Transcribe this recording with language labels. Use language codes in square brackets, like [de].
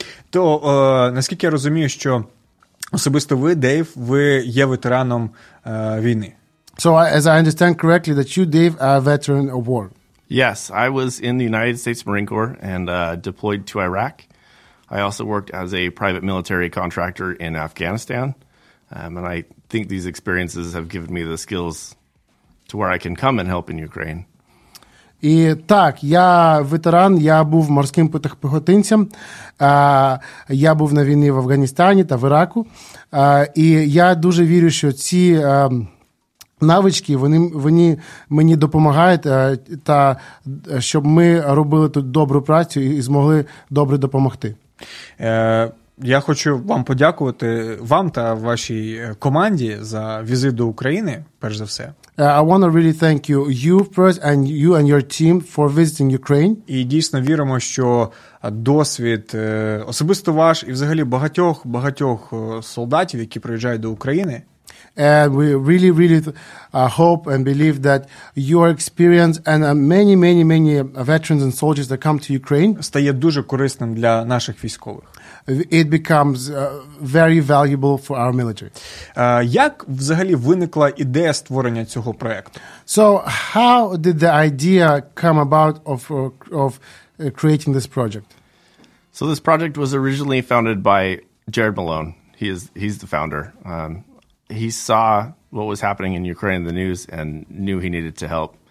[uk] То, наскільки я розумію, що особисто ви, Дейв, ви є ветераном війни. [en] So as I understand correctly, that you, Dave, are a veteran of war. Yes, I was in the United States Marine Corps and deployed to Iraq. I also worked as a private military contractor in Afghanistan. And I think these experiences have given me the skills to where I can come and help in Ukraine. [uk] І так, я ветеран, я був морським піхотинцем, я був на війні в Афганістані та в Іраку, і я дуже вірю, що ці навички, вони мені допомагають, та щоб ми робили тут добру працю і змогли добре допомогти. Я хочу вам подякувати, вам та вашій команді за візит до України, перш за все. [en] I want to really thank you first and you and your team for visiting Ukraine. [uk] І дійсно віримо, що досвід особисто ваш і взагалі багатьох солдатів, які приїжджають до України, [en] and we really really hope and believe that your experience and many veterans and soldiers that come to Ukraine [uk] стає дуже корисним для наших військових. [en] It becomes very valuable for our military. [uk] Як взагалі виникла ідея створення цього проєкту? [en] So how did the idea come about of creating this project? So this project was originally founded by Jared Malone. He's the founder. He saw what was happening in Ukraine in the news and knew he needed to help.